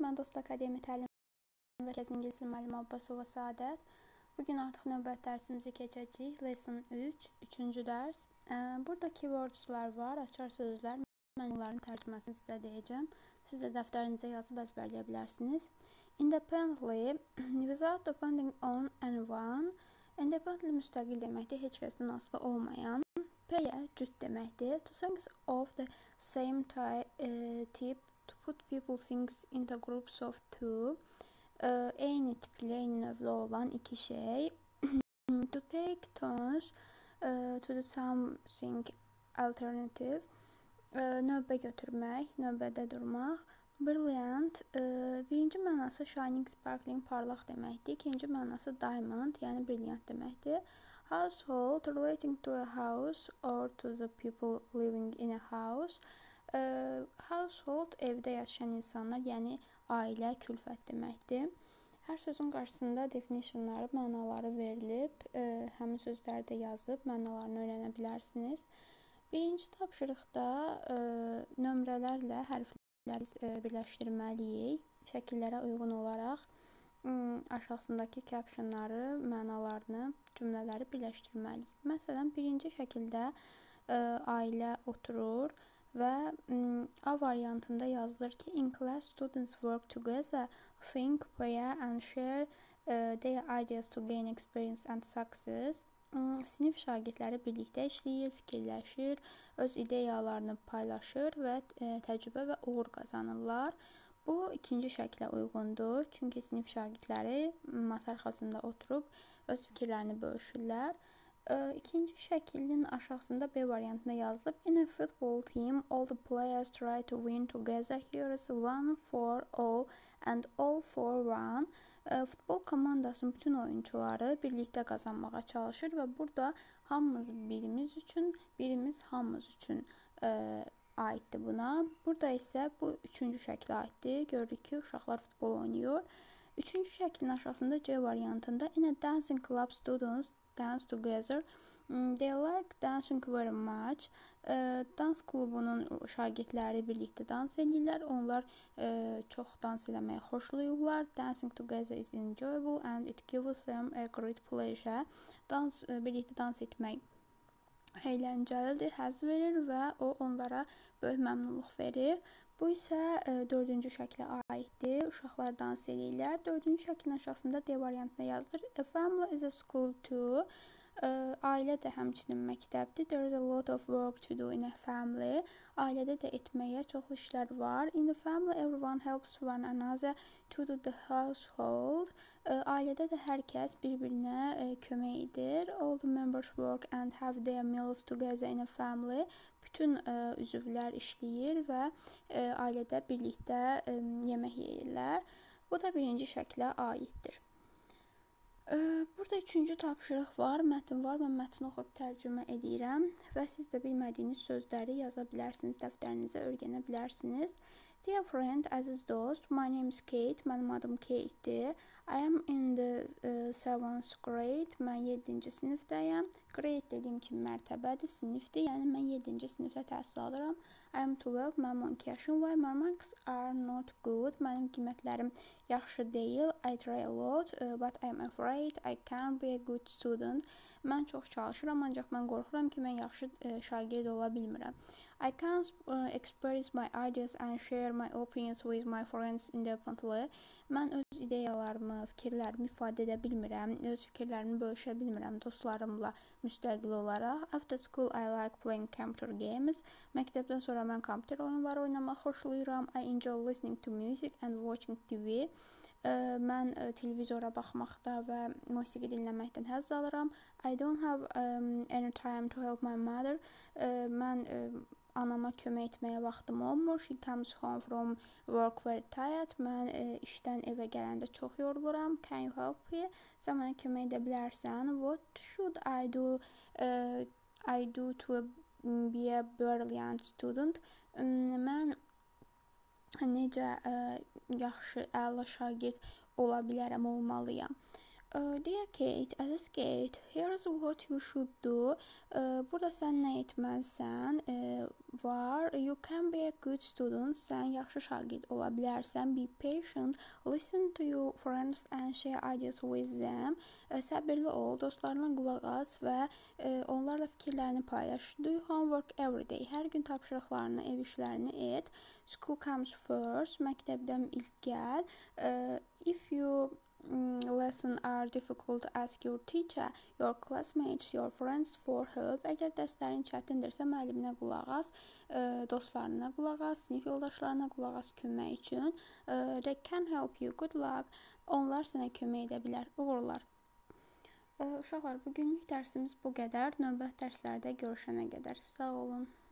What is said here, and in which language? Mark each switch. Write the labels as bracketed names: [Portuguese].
[Azerbaijani] Mən Dost Akademi Təlim Mərkəzinin İngilizli müəllimi Abbasova Səadət. Bugün artıq növbət dərsimizi keçəcəyik. [English] Lesson 3, [Azerbaijani] 3-cü dərs. Burada keywordslar var, açar sözlər. Mən onların tərcüməsini sizə deyəcəm. Siz də dəftərinizə yazıb əzbərləyə bilərsiniz. [English] Independently, without depending on anyone. [Azerbaijani] Independently müstəqil deməkdir, heç kəsdən asılı olmayan. Pay-ə cüt deməkdir. [English] To things of the same type. To put people things into groups of two. [Azerbaijani] Eyni tipli, eyni növlü olan iki şey. [English] To take turns. To do something alternative. [Azerbaijani] Növbə götürmək, növbədə durmaq. Brilliant. Birinci mənası [English] shining, sparkling, [Azerbaijani] parlaq deməkdir. İkinci mənası diamond, yəni brilliant deməkdir. [English] Household. Relating to a house or to the people living in a house. [Azerbaijani] Household, evdə yaşayan insanlar, yəni ailə, külfət deməkdir. Hər sözün qarşısında definisyonları, mənaları verilib, həmin sözləri də yazıb, mənalarını öyrənə bilərsiniz. Birinci tapşırıqda nömrələrlə hərfləri birləşdirməliyik. Şəkillərə uyğun olaraq aşağısındakı captionları, mənalarını, cümlələri birləşdirməliyik. Məsələn, birinci şəkildə ailə oturur. Və A variantında yazılır ki, [English] in class students work together, think, play and share their ideas to gain experience and success. [Azerbaijani] Sinif şagirdləri birlikdə işləyir, fikirləşir, öz ideyalarını paylaşır və təcrübə və uğur qazanırlar. Bu, ikinci şəklə uyğundur, çünki sinif şagirdləri masa arxasında oturub öz fikirlərini bölüşürlər. İkinci şəkilin aşağısında B variantında yazılıb. [English] In a football team, all the players try to win together. Here is one for all and all for one. [Azerbaijani] Futbol komandasının bütün oyuncuları birlikdə qazanmağa çalışır və burada hamımız birimiz üçün, birimiz hamımız üçün aiddir buna. Burada isə bu üçüncü şəkilə aiddir. Görürük ki, uşaqlar futbol oynuyor. Üçüncü şəkilin aşağısında C variantında [English] in a dancing club students dance together. They like dancing very much. [Azerbaijani] Dans klubunun şagirdləri birlikdə dans edirlər. Onlar çox dans eləməyi xoşlayırlar. [English] Dancing together is enjoyable and it gives them a great pleasure. [Azerbaijani] Dans, birlikdə dans etmək əyləncəlidir, həzz verir və o onlara böyük məmnunluq verir. Bu isə dördüncü şəklə aiddir. Uşaqlar dans edirlər. Dördüncü şəklin aşağısında D variantına yazılır. [English] A family is a school too. [Azerbaijani] Ailə də həmçinin məktəbdir. [English] There is a lot of work to do in a family. [Azerbaijani] Ailədə də etməyə çoxlu işlər var. [English] In the family, everyone helps one another to do the household. [Azerbaijani] Ailədə də hər kəs bir-birinə kömək edir. [English] All the members work and have their meals together in a family. [Azerbaijani] Bütün üzvlər işləyir və ailədə birlikdə yemək yeyirlər. Bu da birinci şəklə aiddir. Burada üçüncü tapşırıq var, mətn var. Mən mətni oxub tərcümə edirəm. Və siz də bilmədiyiniz sözləri yaza bilərsiniz, dəftərinizə öyrənə bilərsiniz. [English] Dear friend, [Azerbaijani] aziz dost, [English] my name is Kate. [Azerbaijani] Mənim adım Kate-dir. [English] I am in the 7th grade. [Azerbaijani] Mən 7-ci sinifdəyəm. Grade dediyim kimi mərtəbədir, sinifdir. Yəni, mən 7-ci sinifdə təhsil alıram. [English] I am 12. [Azerbaijani] Mənim 12 yaşım var. [English] My marks are not good. [Azerbaijani] Mənim qiymətlərim yaxşı deyil. [English] I try a lot, but I am afraid I can't be a good student. [Azerbaijani] Mən çox çalışıram, ancaq mən qorxuram ki, mən yaxşı şagird ola bilmirəm. [English] I can't express my ideas and share my opinions with my friends independently. [Azerbaijani] Mən öz ideyalarımı, fikirlərimi ifadə edə bilmirəm, öz fikirlərimi bölüşə bilmirəm dostlarımla müstəqil olaraq. [English] After school I like playing computer games. [Azerbaijani] Məktəbdən sonra mən kompüter oyunları oynamağı xoşlayıram. [English] I enjoy listening to music and watching TV. [Azerbaijani] Mən televizora baxmaqda və musiqi dinləməkdən həzz alıram. [English] I don't have any time to help my mother. [Azerbaijani] Mən anama kömək etməyə vaxtım olmur. [English] She comes home from work very tired. [Azerbaijani] Mən işdən evə gələndə çox yoruluram. [English] Can you help me? [Azerbaijani] Sən mənə kömək edə bilərsən. [English] What should I do to be a brilliant student? [Azerbaijani] Mən necə yaxşı, əla şagird ola bilərəm, olmalıyam. [English] Dear Kate, [Azerbaijani] aziz Kate, [English] here is what you should do. [Azerbaijani] Burada sən nə etməlisən? var. [English] You can be a good student. [Azerbaijani] Sen yaxşı şagird ola bilərsən. [English] Be patient. Listen to your friends and share ideas with them. [Azerbaijani] Səbirli ol. Dostlarına qulaq as və onlarla fikirlərini paylaş. [English] Do homework every day. [Azerbaijani] Hər gün tapşırıqlarını, ev işlərini et. [English] School comes first. [Azerbaijani] Məktəbdən ilk gəl. [English] If you lesson are difficult, ask your teacher, your classmates, your friends for help. [Azerbaijani] Əgər dərslərin çətindirsə, müəlliminə qulaq as, dostlarına qulaq as, sinif yoldaşlarına qulaq as kömək üçün. [English] They can help you. Good luck. [Azerbaijani] Onlar sənə kömək edə bilər. Uğurlar. Uşaqlar, bugünlük dərsimiz bu qədər. Növbət dərslərdə görüşənə qədər. Sağ olun.